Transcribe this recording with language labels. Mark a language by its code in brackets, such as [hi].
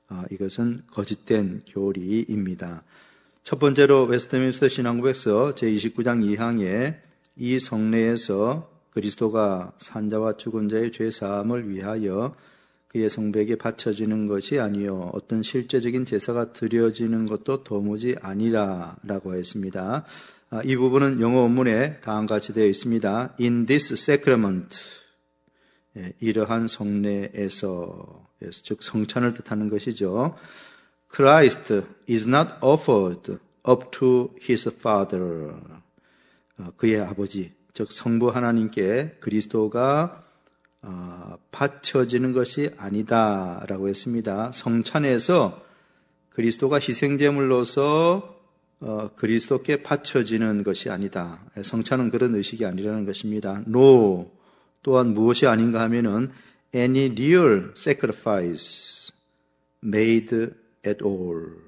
[ko] 이것은 거짓된 교리입니다. 첫 번째로 웨스트민스터 신앙고백서 제29장 2항에 이 성례에서 그리스도가 산자와 죽은 자의 죄사함을 위하여 그의 성부에게 바쳐지는 것이 아니요 어떤 실제적인 제사가 드려지는 것도 도무지 아니라 라고 했습니다. 이 부분은 영어 원문에 다음과 같이 되어 있습니다. [en] In this sacrament, [ko] 이러한 성례에서 즉 성찬을 뜻하는 것이죠. [en] Christ is not offered up to his father. [ko] 그의 아버지, 즉 성부 하나님께 그리스도가 바쳐지는 것이 아니다 라고 했습니다. 성찬에서 그리스도가 희생제물로서 그리스도께 바쳐지는 것이 아니다. 성찬은 그런 의식이 아니라는 것입니다. [en] No, [ko] 또한 무엇이 아닌가 하면은 [en] any real sacrifice made at all.